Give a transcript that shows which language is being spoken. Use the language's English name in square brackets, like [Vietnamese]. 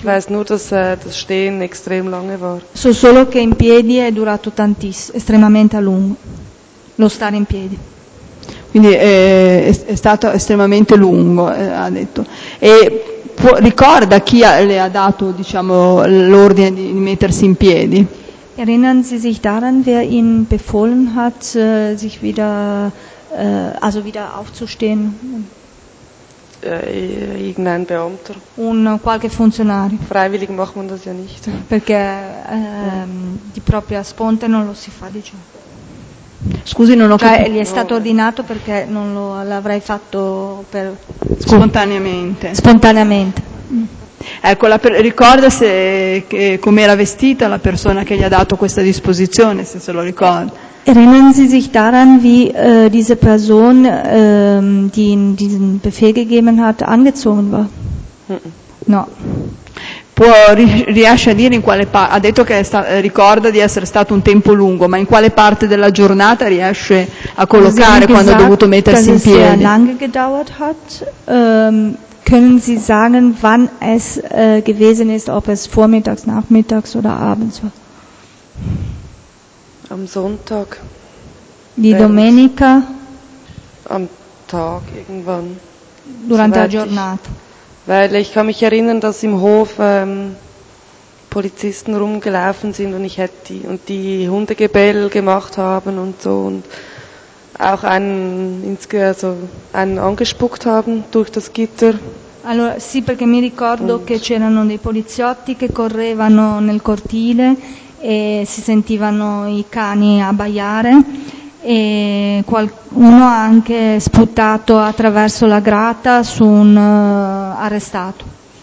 [German] Ich weiß nur, dass das Stehen extrem lange war. [Italian] So solo che in piedi è durato tantissimo, estremamente a lungo. Lo stare in piedi. Quindi è stato estremamente lungo, ha detto. E può, ricorda chi le ha dato, diciamo, l'ordine di mettersi in piedi? [German] Erinnern Sie sich daran, wer Ihnen befohlen hat, sich wieder, also wieder aufzustehen? Irgendein Beamter. [Italian] Un qualche funzionario. [German] Freiwillig macht man das ja nicht. [Italian] Perché di propria sponte non lo si fa, diciamo. Scusi, non ho capito. Cioè, gli è stato ordinato perché non lo, l'avrei fatto per... Spontaneamente. Spontaneamente. Ecco, ricorda se com'era vestita la persona che gli ha dato questa disposizione, se se lo ricorda. [German] Erinnern Sie sich daran, wie diese Person, die ihm diesen Befehl gegeben hat, angezogen war? [Italian] No. Può riesce a dire in quale parte, ha detto che ricorda di essere stato un tempo lungo, ma in quale parte della giornata riesce a collocare quando ha dovuto mettersi in piedi? [German] Dass es lange gedauert hat, können Sie sagen, wann es gewesen ist, ob es vormittags, nachmittags oder abends war? Am Sonntag. [Italian] Die Domenica? [German] Am Tag, irgendwann. [Italian] Durante la giornata. [German] Weil ich kann mich erinnern, dass im Hof Polizisten rumgelaufen sind und ich hätte die und die Hundegebell gemacht haben und so und auch einen angespuckt haben durch das Gitter. [Italian] Allora, sì, perché mi ricordo che c'erano dei poliziotti che correvano nel cortile e si sentivano i cani abbaiare e qualcuno ha anche sputato attraverso la grata su un arrestato.